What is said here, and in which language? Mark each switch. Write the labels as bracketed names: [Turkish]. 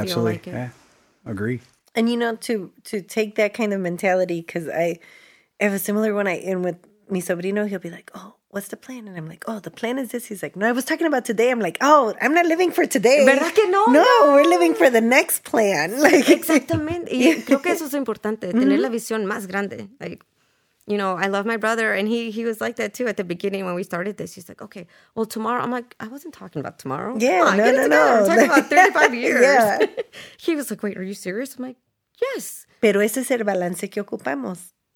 [English] absolutely. Like it. Yeah. Agree. And, you know, to take that kind of mentality, because I have a similar one with [Spanish] mi sobrino, [English] he'll be like, oh, what's the plan? And I'm like, oh, the plan is this. He's like, no, I was talking about today. I'm like, oh, I'm not living for today. [Spanish] ¿Verdad que no? [English] No, we're living for the next plan. Like, [Spanish] exactamente. Y creo que eso es importante, tener la visión más grande. [English] Like, you know, I love my brother, and he was like that too at the beginning when we started this. He's like, okay, well, tomorrow. I'm like, I wasn't talking about tomorrow. Yeah, come on, no. I'm talking about 35 years. Yeah. He was like, wait, are you serious? I'm like, yes. [Spanish] Pero ese es el balance que ocupamos.